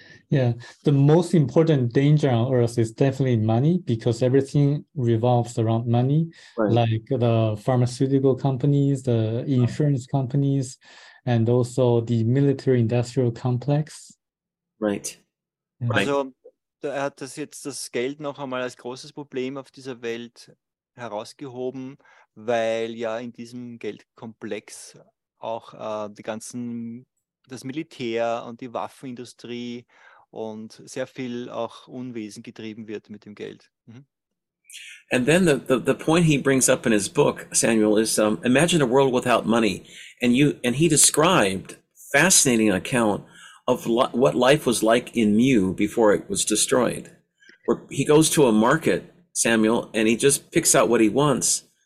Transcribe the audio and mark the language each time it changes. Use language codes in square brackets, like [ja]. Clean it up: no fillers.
[en] The most important danger on Earth is definitely money, because everything revolves around money, right. Like the pharmaceutical companies, the insurance companies, and also the military industrial complex. Right. [de] Also, er hat das jetzt das Geld noch einmal als großes Problem auf dieser Welt herausgehoben, weil ja in diesem Geldkomplex auch die ganzen, das Militär und die Waffenindustrie und sehr viel auch Unwesen getrieben wird mit dem Geld. [en] And then the point he brings up in his book, Samuel, is imagine a world without money. And he described fascinating account of what life was like in Mu before it was destroyed. Where he goes to a market, Samuel, and he just picks out what he wants.